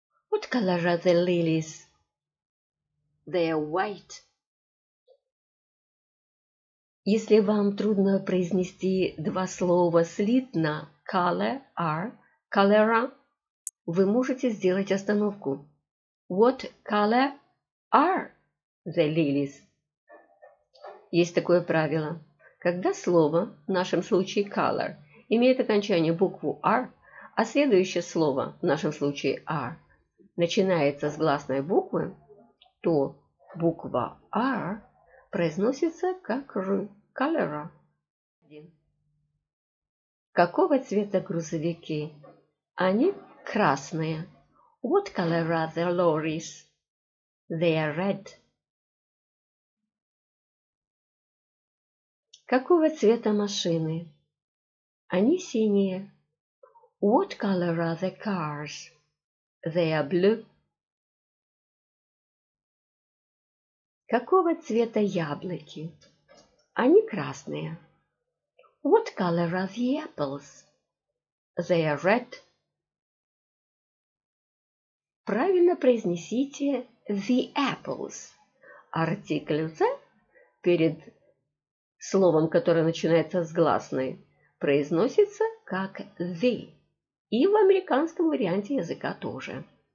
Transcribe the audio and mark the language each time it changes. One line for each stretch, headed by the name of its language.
English: What color are the lilies? They are white.
Russian: Если вам трудно произнести два слова слитно, color, color, вы можете сделать остановку.
English: What color are the lilies?
Russian: Есть такое правило. Когда слово, в нашем случае color, имеет окончание букву R, а следующее слово, в нашем случае R, начинается с гласной буквы, то буква R произносится как R, color. Какого цвета грузовики? Они красные.
English: What color are the lorries? They are red.
Russian: Какого цвета машины? Они синие.
English: What color are the cars? They are blue.
Russian: Какого цвета яблоки? Они красные.
English: What color are the apples? They are red.
Russian: Правильно произнесите
English: the apples.
Russian: Артикль «з» перед словом, которое начинается с гласной, произносится как the. И в американском варианте языка тоже.